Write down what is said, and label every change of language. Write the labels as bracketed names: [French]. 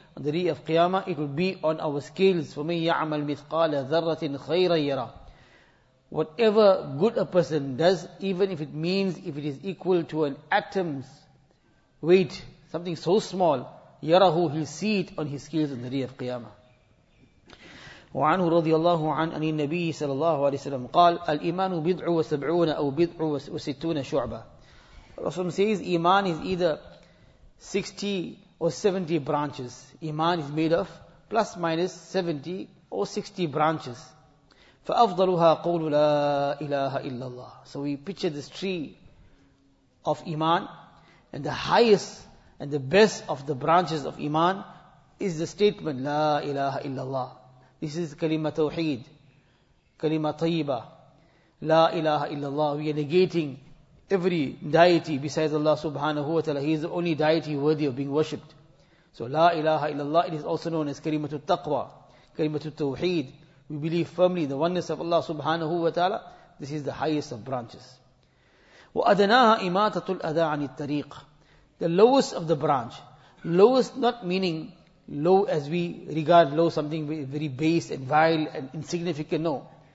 [English] On the day of Qiyamah it will be on our scales. [Arabic] فَمَنْ يَعْمَلْ مِثْقَالَ ذَرَّةٍ خَيْرًا يَرَى. [English] Whatever good a person does, even if it means, if it is equal to an atom's weight, something so small, yarahu, he'll see it on his scales in the day of Qiyamah. [Arabic] وعنه رضي الله عن أن النبي صلى الله عليه وسلم قال الإيمان بضع وسبعون أو بضع وستون شعبة. [English] Rasulullah says, Iman is either 60 or 70 branches. Iman is made of plus minus 70 or 60 branches. [Arabic] فأفضلها قول لا إله إلا الله. [English] So we picture this tree of Iman, and the highest and the best of the branches of Iman is the statement [Arabic] لا إله إلا الله. [English] This is [Arabic] كلمة توحيد, كلمة طيبة, لا إله إلا الله. [English] We are negating every deity besides Allah subhanahu wa ta'ala. He is the only deity worthy of being worshipped. [Arabic] So لا إله إلا الله, [English] it is also known as [Arabic] كلمة التقوى, كلمة التوحيد. [English] We believe firmly in the oneness of Allah subhanahu wa ta'ala. This is the highest of branches. [Arabic] وَأَدَنَاهَا إِمَاتَةُ الْأَذَىٰ عَنِ الطَّرِيقِ. [English] The lowest of the branch, Lowest not meaning low as we regard low, something very base and vile and insignificant. No.